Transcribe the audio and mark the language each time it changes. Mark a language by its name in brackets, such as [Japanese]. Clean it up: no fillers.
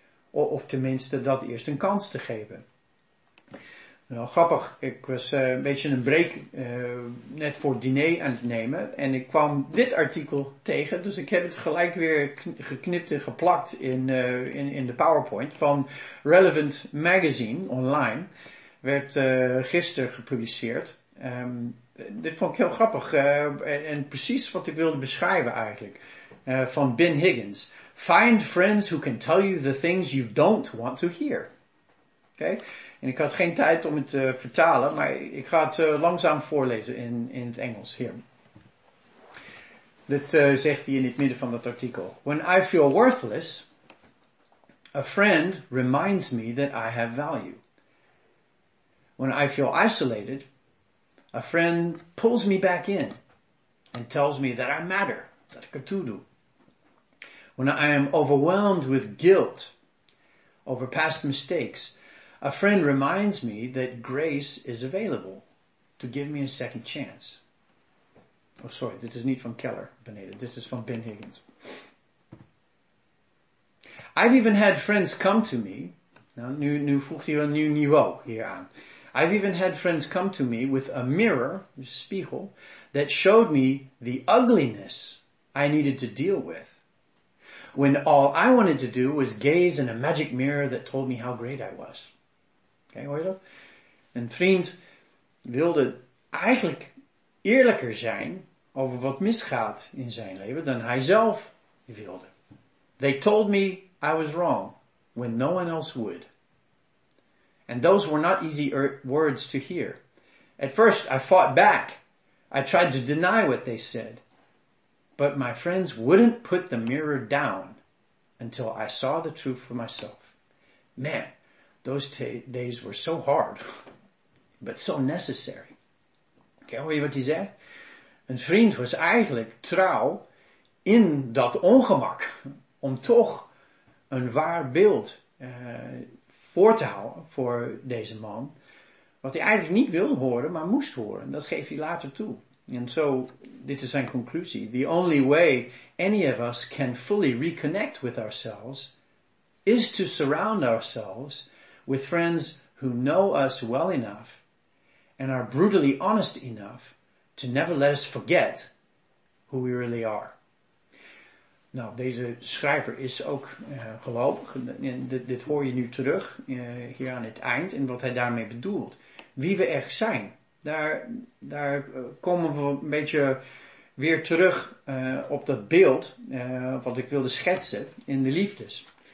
[Dutch] Of tenminste, dat eerst een kans te geven. Nou, grappig, ik was een beetje een break net voor het diner aan het nemen en ik kwam dit artikel tegen, dus ik heb het gelijk weer geknipt en geplakt in de PowerPoint van Relevant Magazine online, werd gisteren gepubliceerd. Dit vond ik heel grappig en precies wat ik wilde beschrijven eigenlijk, van Ben Higgins. [English] Find friends who can tell you the things you don't want to hear. Oké, okay. [Dutch] En ik had geen tijd om het te vertalen, maar ik ga het langzaam voorlezen in het Engels hier. Dit zegt hij in het midden van dat artikel. [English] When I feel worthless, a friend reminds me that I have value. When I feel isolated, a friend pulls me back in and tells me that I matter, [Dutch] dat ik er toe doe. [English] When I am overwhelmed with guilt over past mistakes, a friend reminds me that grace is available to give me a second chance. [Dutch] Oh, sorry, dit is niet van Keller beneden. Dit is van Ben Higgins. [English] I've even had friends come to me. [Dutch] Nu voegt hij een nieuw niveau hier aan. [English] I've even had friends come to me with a mirror, a spiegel, that showed me the ugliness I needed to deal with. When all I wanted to do was gaze in a magic mirror that told me how great I was. [Dutch] Okay, hoor je dat? Een vriend wilde eigenlijk eerlijker zijn over wat misgaat in zijn leven dan hij zelf wilde. [English] They told me I was wrong when no one else would. And those were not easy words to hear. At first I fought back. I tried to deny what they said. But my friends wouldn't put the mirror down until I saw the truth for myself. Man. Those days were so hard, but so necessary. [Dutch] Okay, hoor je wat hij zegt? Een vriend was eigenlijk trouw in dat ongemak om toch een waar beeld voor te houden voor deze man. Wat hij eigenlijk niet wilde horen, maar moest horen. Dat geeft hij later toe. [English] And so, [Dutch] dit is zijn conclusie. [English] The only way any of us can fully reconnect with ourselves is to surround ourselves with friends who know us well enough and are brutally honest enough to never let us forget who we really are. [Dutch] Nou, deze schrijver is ook gelovig. Dit hoor je nu terug hier aan het eind en wat hij daarmee bedoelt. Wie we echt zijn. Daar komen we een beetje weer terug op dat beeld wat ik wilde schetsen in de liefdes.